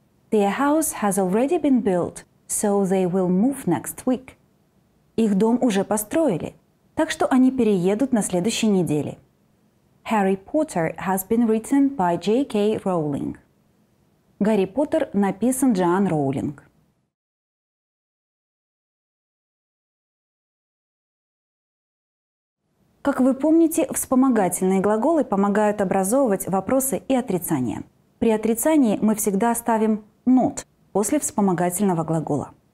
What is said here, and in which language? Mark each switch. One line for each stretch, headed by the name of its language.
English: Their house has already been built, so they will move next week.
Russian: Их дом уже построили, так что они переедут на следующей неделе.
English: Harry Potter has been written by J.K. Rowling.
Russian: Гарри Поттер написан Джоан Роулинг. Как вы помните, вспомогательные глаголы помогают образовывать вопросы и отрицания. При отрицании мы всегда ставим not после вспомогательного глагола.